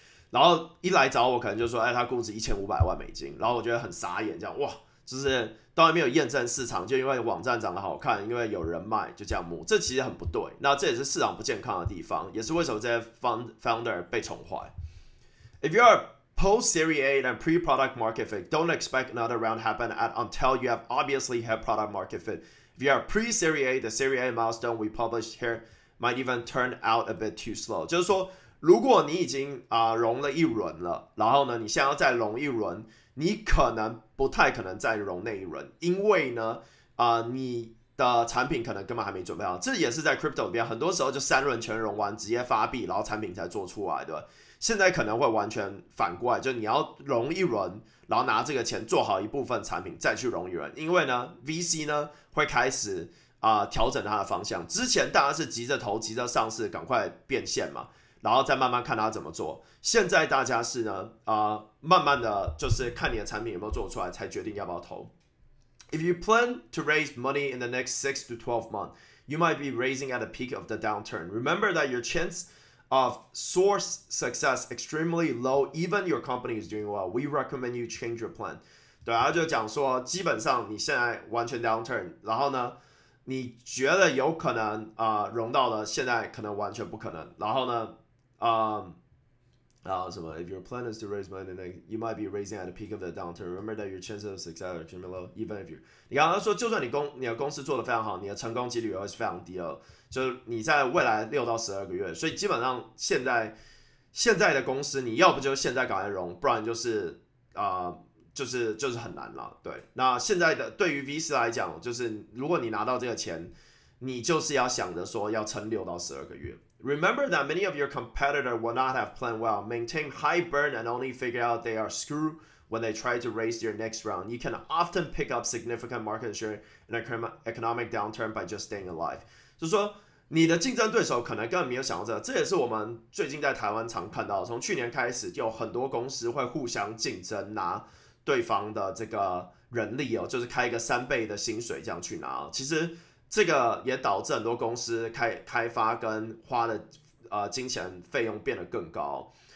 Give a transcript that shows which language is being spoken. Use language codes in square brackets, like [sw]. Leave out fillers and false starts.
[zh] 然后一来找我，可能就说，哎，他估值1500万美金，然后我觉得很傻眼，这样哇。就是当然没有验证市场，就因为网站长得好看，因为有人脉，就这样摸，这其实很不对。那这也是市场不健康的地方，也是为什么这些 founder 被宠坏。 [en] If you are post Series A and pre-product market fit, don't expect another round happen at until you have obviously had product market fit. If you are pre-Series A, the Series A milestone we published here might even turn out a bit too slow。 [zh] 就是说，如果你已经融了一轮了，然后呢，你现在要再融一轮。你可能不太可能再融那一轮，因为呢，你的产品可能根本还没准备好。这也是在 crypto 里面，很多时候就三轮全融完，直接发币，然后产品才做出来，对吧？现在可能会完全反过来，就你要融一轮，然后拿这个钱做好一部分产品，再去融一轮。因为呢，VC 呢会开始调整它的方向。之前大家是急着投、急着上市，赶快变现嘛。然后再慢慢看他怎么做。现在大家是呢，慢慢的就是看你的产品有没有做出来，才决定要不要投。 [en] If you plan to raise money in the next 6 to 12 months, you might be raising at the peak of the downturn. Remember that your chance of source success extremely low, even your company is doing well. We recommend you change your plan. [zh] 对啊，就讲说，基本上你现在完全 downturn，然后呢，你觉得有可能融到了，现在可能完全不可能，然后呢？什么？ [en] If your plan is to raise money, then you might be raising at the peak of the downturn. Remember that your chances of success are extremely low, even if you. [zh] 你刚刚说，就算你的公司做得非常好，你的成功几率也会是非常低的。就是你在未来6到12个月，所以基本上现在的公司，你要不就现在赶快融，不然就是就是很难了。对，那现在的对于 VC 来讲，就是如果你拿到这个钱，你就是要想着说要撑6到12个月。 [en] Remember that many of your competitors will not have planned well, maintain high burn, and only figure out they are screwed when they try to raise their next round, you can often pick up significant market share in an economic downturn by just staying alive. [zh] 就说你的竞争对手可能根本没有想到这个，这也是我们最近在台湾常看到的。从去年开始，有很多公司会互相竞争拿对方的这个人力哦，就是开一个三倍的薪水这样去拿。其实这个也导致很多公司开发跟花的金钱费用变得更高。